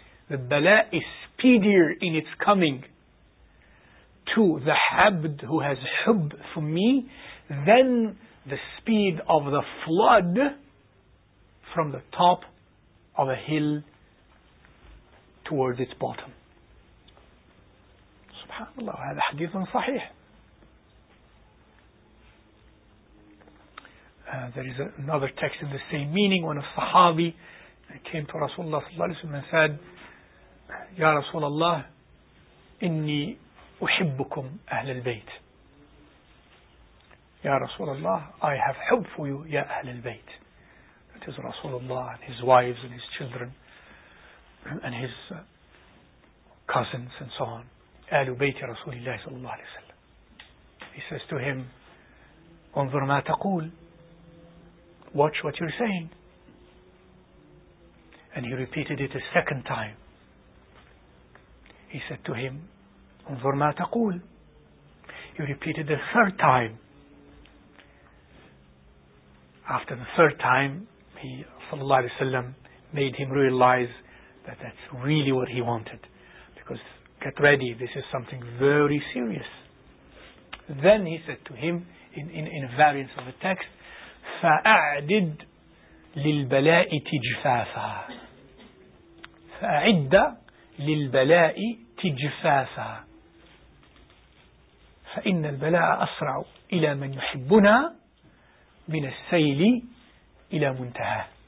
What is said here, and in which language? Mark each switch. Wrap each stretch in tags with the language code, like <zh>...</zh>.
<en>The bala is speedier in its coming to the habd who has hubb for me than the speed of the flood from the top of a hill towards its bottom.</en> <ar>Subhanallah, هذا حديث صحيح.</ar> <en>There is another text in the same meaning, when a sahabi came to Rasulullah sallallahu alayhi wa sallam and said, Ya Rasulullah,</en> <ar>inni أحبكم أهل البيت. يا رسول الله,</ar> <en>I have hub for you,</en> <ar>يا أهل البيت.</ar> <en>That is Rasulullah and his wives and his children and his cousins and so on.</en> <ar>أهل بيت رسول الله صلى الله عليه وسلم.</ar> <en>He says to him,</en> <ar>انظر ما تقول.</ar> <en>Watch what you're saying. And he repeated it a second time. He said to him,</en> <ar>انظر ما تقول.</ar> <en>He repeated the third time. After the third time, he sallallahu alayhi wa sallam made him realize that that's really what he wanted. Because, get ready, this is something very serious. Then he said to him, in a variance of the text,</en> <ar>فَأَعْدِدْ لِلْبَلَاءِ تِجْفَافًا فَأَعِدَّ لِلْبَلَاءِ تِجْفَافًا فإن البلاء أسرع إلى من يحبنا من السيل إلى منتهى.</ar>